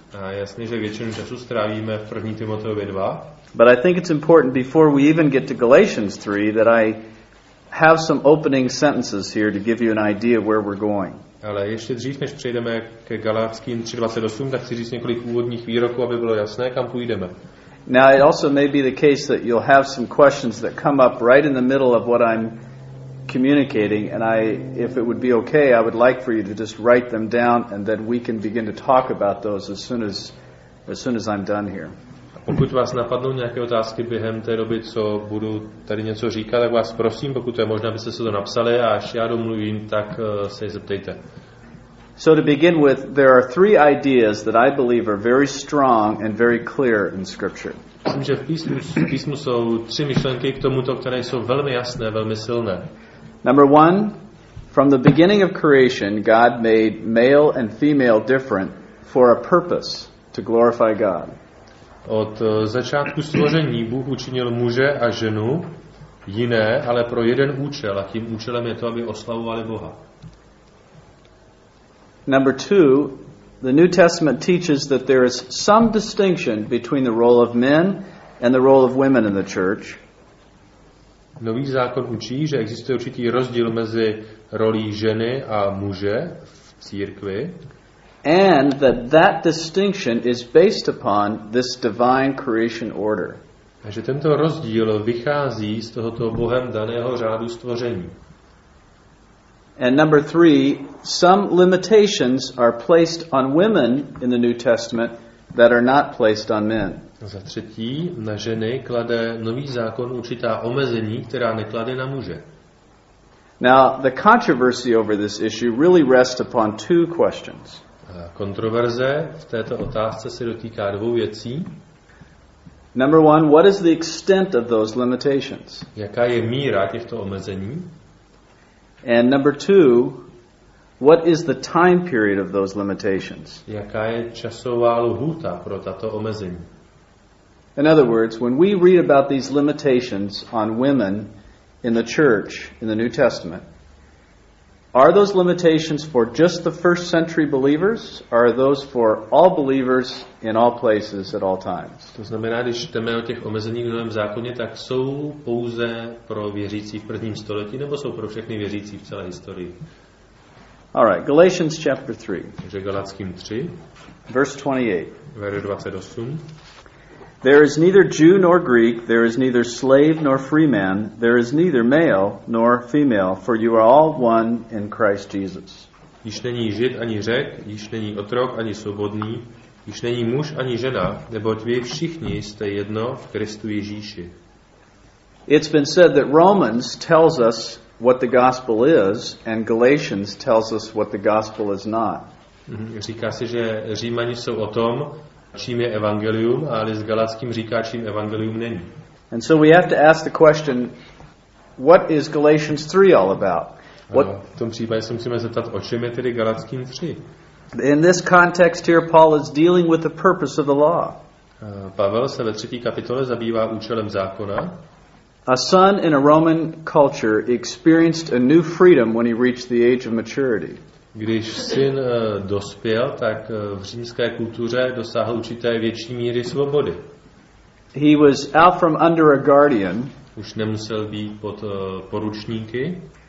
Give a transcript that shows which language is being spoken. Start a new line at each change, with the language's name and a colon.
Czech: A jasně, že většinu času strávíme v 1. Timoteovi 2.
English: But I think it's important before we even get to Galatians 3 that I have some opening sentences here to give you an idea where we're going.
Czech: Ale ještě dřív, než přejdeme ke Galatským 3:28, tak chci říct několik úvodních výroků, aby bylo jasné, kam půjdeme.
English: Now it also may be the case that you'll have some questions that come up right in the middle of what I'm communicating, and I, if it would be okay, I would like for you to just write them down, and then we can begin to talk about those as soon as I'm done here.
Czech: Pokud vás napadnou nějaké otázky během té doby, co budu tady něco říkat, tak vás prosím, pokud to je možná, abyste se to napsali a až já domluvím, tak se je zeptejte.
English: So to begin with, there are three ideas that I believe are very strong and very clear in scripture.
Czech: Myslím, že v písmu jsou tři myšlenky k tomuto, které jsou velmi jasné, velmi silné.
English: Number one, from the beginning of creation, God made male and female different for a purpose, to glorify God.
Czech: Od začátku stvoření Bůh učinil muže a ženu jiné, ale pro jeden účel, a tím účelem je to, aby oslavovali Boha.
English: Number two, the New Testament teaches that there is some distinction between the role of men and the role of women in the church.
Czech: Nový zákon učí, že existuje určitý rozdíl mezi rolí ženy a muže v církvi.
English: And that distinction is based upon this divine creation order.
Czech: Takže tento rozdíl vychází z tohoto Bohem daného řádu stvoření.
English: And number three, some limitations are placed on women in the New Testament that are not placed on men.
Czech: Za třetí, na ženy klade nový zákon určitá omezení, která neklade na muže.
English: Now, the controversy over this issue really rests upon two questions.
Czech: Kontroverze v této otázce se dotýká dvou věcí.
English: Number one, what is the extent of those limitations?
Czech: Jaká je míra těchto omezení?
English: And number two, what is the time period of those limitations?
Czech: Jaká je časová lhůta pro tato omezení?
English: In other words, when we read about these limitations on women in the church in the New Testament, Are those limitations for just the first century believers, or are those for all believers in all places at all times?
Czech: To znamená, když čteme o těch omezeních v novém zákoně, tak jsou pouze pro věřící v prvním století, nebo jsou pro všechny věřící v celé historii?
English: All right, Galatians chapter 3.
Czech: Takže Galackým 3.
English: Verse 28.
Czech: Verš 28.
English: There is neither Jew nor Greek, there is neither slave nor free man, there is neither male nor female, for you are all one in Christ Jesus.
Czech: Již není Žid ani Řek, již není otrok ani svobodný, již není muž ani žena, neboť vy všichni jste jedno v Kristu Ježíši.
English: It's been said that Romans tells us what the gospel is and Galatians tells us what the gospel is not.
Czech: Říká se, že Římani jsou o tom, čím je evangelium, a list Galackým říká, čím evangelium není.
English: And so we have to ask the question, what is Galatians 3 all about? What...
Czech: V tom případě se musíme zeptat, o čem je tedy Galackým 3?
English: In this context here, Paul is dealing with the purpose of the law.
Czech: Pavel se ve třetí kapitole zabývá účelem zákona.
English: A son in a Roman culture experienced a new freedom when he reached the age of maturity.
Czech: Když syn dospěl, tak v římské kultuře dosáhl určité větší míry svobody.
English: He was out from under a guardian.
Czech: Už nemusel být pod poručníky.